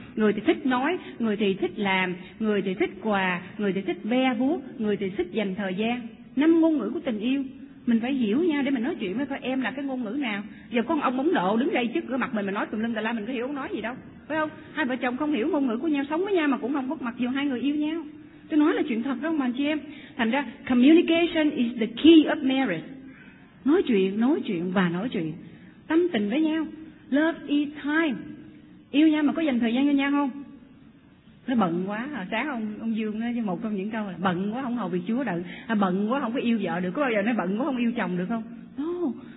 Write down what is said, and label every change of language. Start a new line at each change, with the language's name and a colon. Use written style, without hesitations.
Vietnamese: Người thì thích nói, người thì thích làm, người thì thích quà, người thì thích be vuốt, người thì thích dành thời gian. Năm ngôn ngữ của tình yêu. Mình phải hiểu nhau để mình nói chuyện với coi em là cái ngôn ngữ nào. Giờ con ông Ấn Độ đứng đây trước cửa mặt mình mà nói tùm lum tà la, mình có hiểu ông nói gì đâu, phải không? Hai vợ chồng không hiểu ngôn ngữ của nhau, sống với nhau mà cũng không có, mặc dù hai người yêu nhau. Tôi nói là chuyện thật đó mà chị em. Thành ra
English: communication is the key of marriage.
Vietnamese: Nói chuyện và nói chuyện, tâm tình với nhau.
English: Love is time.
Vietnamese: Yêu nhau mà có dành thời gian cho nhau không? Nó bận quá, sáng ông Dương nói một trong những câu là bận quá không hầu việc Chúa đợi, bận quá không có yêu vợ được, có bao giờ nói bận quá không yêu chồng được không? No.